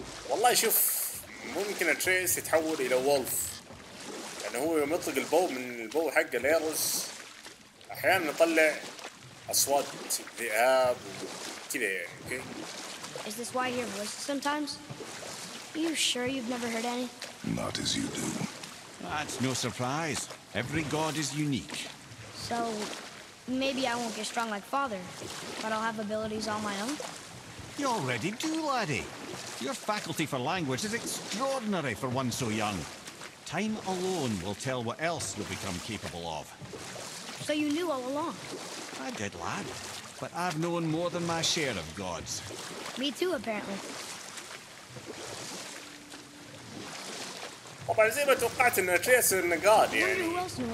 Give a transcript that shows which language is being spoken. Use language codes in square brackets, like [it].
[ar] والله شوف ممكن أتريس يتحول إلى وولف. يعني هو يوم يطلق البو من البو حق ليروس أحيانا يطلع أصوات ذئاب وكذا يعني. [en] Okay. Is this why you hear voices sometimes? Are you sure you've never heard any? Not as you do. That's no surprise. Every god is unique. So, maybe I won't get strong like father, but I'll have abilities all my own? You already do, laddie. Your faculty for language is extraordinary for one so young. Time alone will tell what else you'll become capable of. So you knew all along? I did, lad. But I've known more than my share of gods. Me too, apparently. [ar] طبعاً زي ما توقعت إن أتريوس إنه قاد يعني.